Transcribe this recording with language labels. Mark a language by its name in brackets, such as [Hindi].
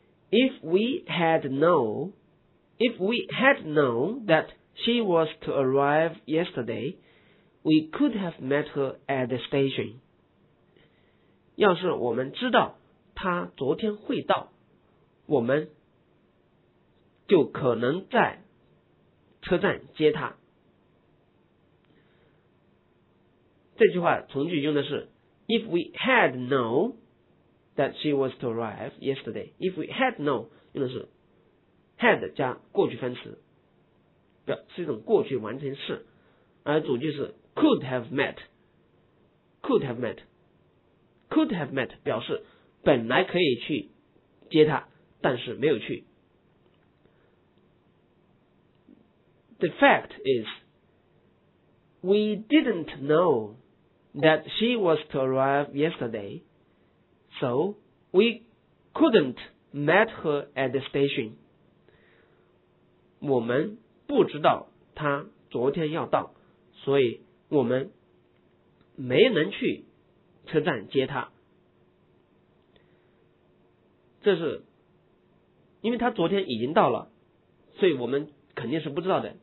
[English] If we had known that she was to arrive yesterday, we could have met her at the station. [Chinese] 要是我们知道她昨天会到，我们就可能在车站接她。这句话从句用的是 [English] If we had knownThat she was to arrive yesterday. If we had known, [Chinese] 用的是 had 加过去分词，表是一种过去完成式，而主句是 [English] could have met [Chinese] 表示本来可以去接他，但是没有去。 [English] The fact is, we didn't know that she was to arrive yesterday. So, we couldn't meet her at the station. [Chinese] 我们不知道她昨天要到，所以我们没能去车站接她。这是因为她昨天已经到了，所以我们肯定是不知道的。